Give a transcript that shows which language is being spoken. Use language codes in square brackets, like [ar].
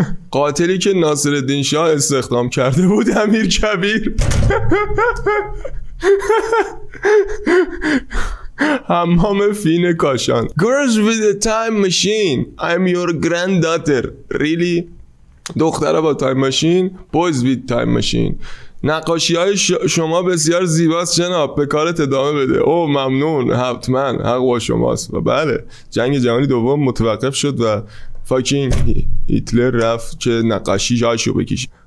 [fa] قاتلی که ناصرالدین شاه استخدام کرده بود امیر کبیر حمام فین کاشان. [en] Girls with a time machine, I'm your granddaughter. Really? [fa] دختره با [en] time machine, boys with time machine. [fa] نقاشی های شما بسیار زیباست جناب، به کارت ادامه بده. او ممنون حتما، حق با شماست. و بله جنگ جهانی دوم متوقف شد و فاکینگ هیتلر رفت که نقاشی جایشو بکشه.